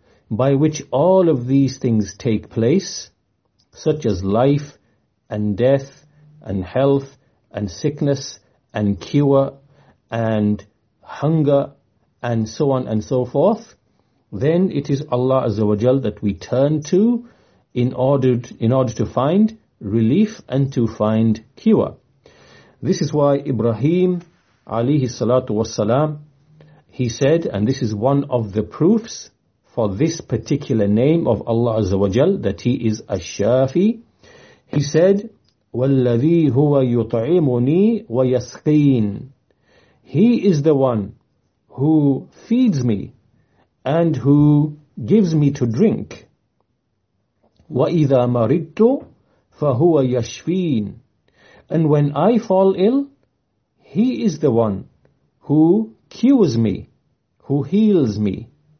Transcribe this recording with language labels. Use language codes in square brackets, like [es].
[en] by which all of these things take place, such as life and death and health and sickness and cure and hunger and so on and so forth, then it is Allah Azza wa Jal that we turn to in order to find relief and to find cure. This is why Ibrahim alayhi salatu wassalam, he said, and this is one of the proofs for this particular name of Allah Azza wa Jal, that He is Ash-Shafi. He said, [ar] وَالَّذِي هُوَ يُطْعِمُنِي وَيَسْقِينَ. [en] He is the one who feeds me and who gives me to drink. [ar] وَإِذَا مَرِدْتُ فَهُوَ يَشْفِينَ. [en] And when I fall ill, He is the one who cures me, who heals me.